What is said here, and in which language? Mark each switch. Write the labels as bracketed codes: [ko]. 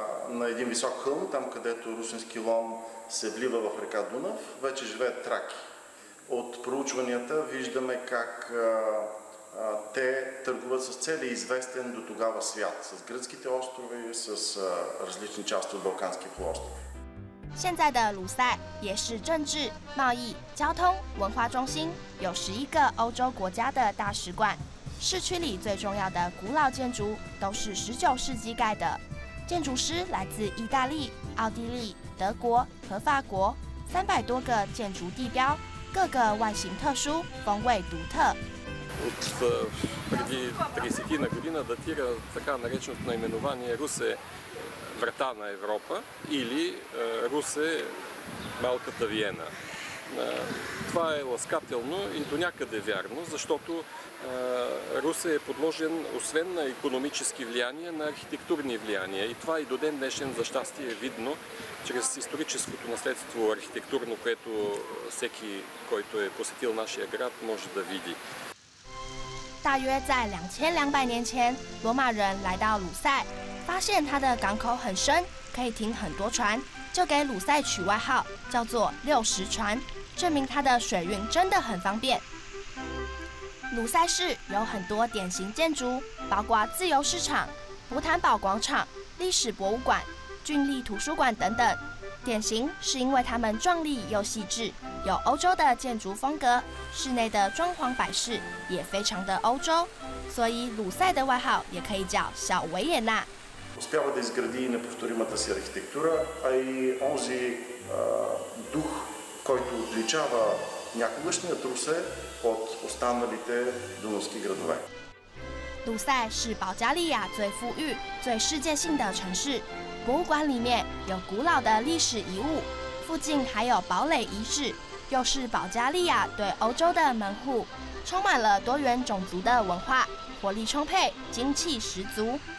[bg] На един висок хълм, там където русински лом се влива в река Дунав, вече живеят траки. От проучванията виждаме как те търгуват с целия известен до тогава свят, с гръцките острови, с различни части от Балканския полуостров. [zh] 现在的鲁塞也是政治、贸易、交通、文化中心，有11个欧洲国家的大使馆。市区里最重要的古老建筑都是19世纪盖的。建筑师来自意大利、奥地利、德国和法国，300多个建筑地标，各个外形特殊，风味独特。 [bg] преди 30-тина година датира така нареченото наименование Русе – врата на Европа или Русе – малката Виена. Това е ласкателно и до някъде вярно, защото Русе е подложен освен на икономически влияния, на архитектурни влияния. И това и до ден днешен за щастие е видно чрез историческото наследство архитектурно, което всеки, който е посетил нашия град, може да види. [zh] 大约在2200年前，罗马人来到鲁塞，发现它的港口很深，可以停很多船，就给鲁塞取外号叫做60船，证明它的水运真的很方便。鲁塞市有很多典型建筑，包括自由市场、福坦堡广场、历史博物馆、郡立图书馆等等。典型是因为它们壮丽又细致，有欧洲的建筑风格，室内的装潢摆饰也非常的欧洲，所以鲁塞的外号也可以叫小维也纳。 [bg] Успява да изгради неповторимата си архитектура, а и онзи дух, който отличава някогашният Русе от останалите дунавски градове. Русе е [zh] 保加利亚最富裕、最世界性的城市。博物馆里面有古老的历史遗物，附近还有堡垒遗址，又是保加利亚对欧洲的门户，充满了多元种族的文化，活力充沛，精气十足。